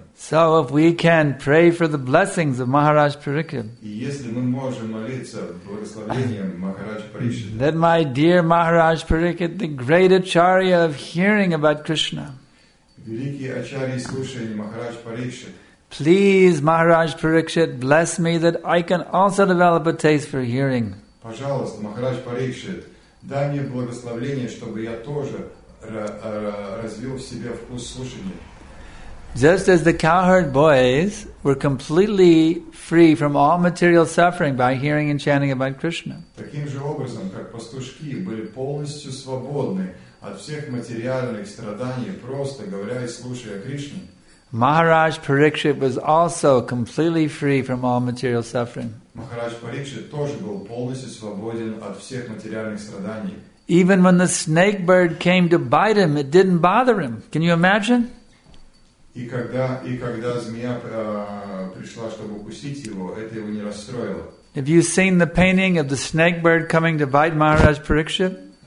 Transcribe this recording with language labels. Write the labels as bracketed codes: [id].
[en] So if we can pray for the blessings of Maharaj Parikshit, that my dear Maharaj Parikshit, the great acharya of hearing about Krishna, please, Maharaj Parikshit, bless me that I can also develop a taste for hearing. [ru] Пожалуйста, Махарадж Парикшит, дай мне благословение, чтобы я тоже развил в себе вкус слушания. [en] Just as the cowherd boys were completely free from all material suffering by hearing and chanting about Krishna. [ru] Таким же образом, как пастушки были полностью свободны от всех материальных страданий, просто говоря и слушая Кришну. [en] Maharaj Parikshit was also completely free from all material suffering. [ru] Maharaj Parikshit тоже был полностью свободен от всех материальных страданий. [en] Even when the snake bird came to bite him, it didn't bother him. Can you imagine? [ru] И когда змея пришла, чтобы укусить его, это его не расстроило. [en] Have you seen the painting of the snake bird coming to bite Maharaj Parikshit?